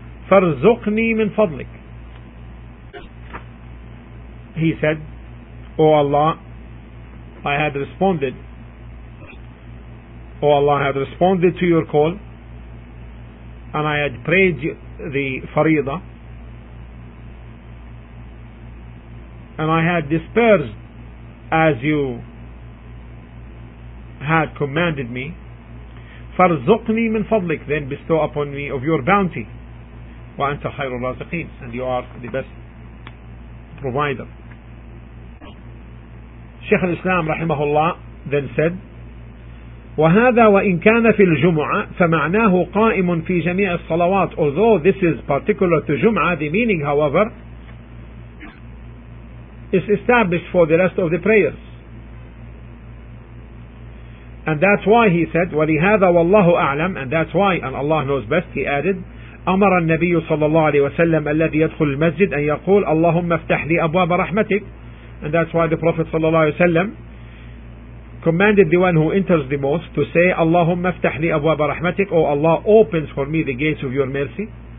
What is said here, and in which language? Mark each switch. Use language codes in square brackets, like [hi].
[ar] فَرْزُقْنِي مِنْ فَضْلِكَ, [en] he said, O Allah, I had responded, O Allah, I had responded to your call, and I had prayed the farida, and I had dispersed as you had commanded me. [ar] فَرْزُقْنِي مِنْ فَضْلِكَ, [en] then bestow upon me of your bounty. [ar] وَأَنْتَ خَيْرُ الرَّازِقِينَ, [en] and you are the best provider. Shaykh al-Islam rahimahullah then said, [ar] وَهَذَا وَإِنْ كَانَ فِي الْجُمْعَةِ فَمَعْنَاهُ قَائِمٌ فِي جَمِيعِ الصَّلَوَاتِ. [en] Although this is particular to Jum'ah, the meaning, however, is established for the rest of the prayers. And that's why he said, [ar] وَلِهَذَا وَاللَّهُ أَعْلَمُ, [en] and that's why, and Allah knows best, he added, [ar] أَمَرَ النَّبِيُّ صَلَّى اللَّهُ عَلَيْهِ وَسَلَّمَ الَّذِي يَدْخُلُ الْمَسْجِدَ أَنْ يَقُولَ اللَّهُمَّ افْتَحْ لِي أَبْوَابَ رَحْمَتِكَ, [en] and that's why the Prophet صلى الله عليه وسلم commanded the one who enters the mosque to say, [ar] Allahumma iftah li abwaba rahmatik, [en] O Allah, opens for me the gates of your mercy.